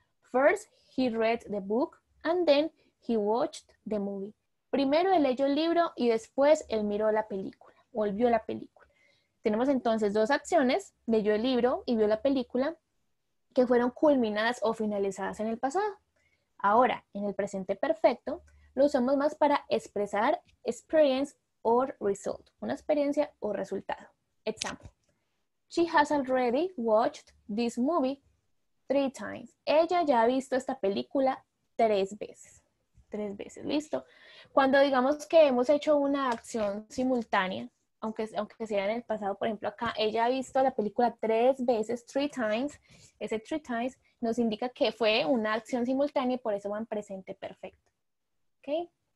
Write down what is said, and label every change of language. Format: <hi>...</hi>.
<en>First, he read the book and then he watched the movie.</en> <es>Primero él leyó el libro y después él miró la película, o él vio la película. Tenemos entonces dos acciones, leyó el libro y vio la película, que fueron culminadas o finalizadas en el pasado. Ahora, en el presente perfecto, lo usamos más para expresar</es> <en>experience or result,</en> <es>una experiencia o resultado.</es> <en>Example, she has already watched this movie 3 times.</en> <es>Ella ya ha visto esta película 3 veces. 3 veces, listo. Cuando digamos que hemos hecho una acción simultánea, aunque sea en el pasado, por ejemplo, acá, ella ha visto la película 3 veces,</es> <en>3 times,</en> <es>ese 3 times nos indica que fue una acción simultánea y por eso va en presente perfecto. ¿Ok?</es>